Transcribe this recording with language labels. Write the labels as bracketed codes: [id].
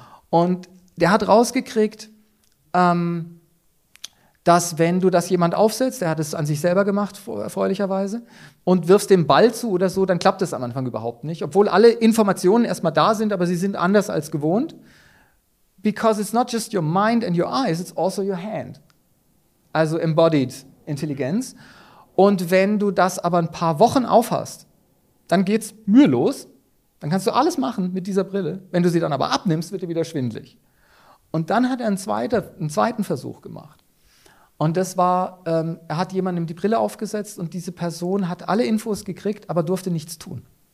[de] Und der hat rausgekriegt, dass wenn du das jemand aufsetzt, der hat es an sich selber gemacht, erfreulicherweise, und wirfst dem Ball zu oder so, dann klappt das am Anfang überhaupt nicht. Obwohl alle Informationen erstmal da sind, aber sie sind anders als gewohnt. [en] Because it's not just your mind and your eyes, it's also your hand. [de] Also embodied Intelligenz. Und wenn du das aber ein paar Wochen aufhast, dann geht's mühelos. Dann kannst du alles machen mit dieser Brille. Wenn du sie dann aber abnimmst, wird dir wieder schwindelig. Und dann hat er einen zweiten Versuch gemacht. Und das war, er hat jemandem die Brille aufgesetzt und diese Person hat alle Infos gekriegt, aber durfte nichts tun.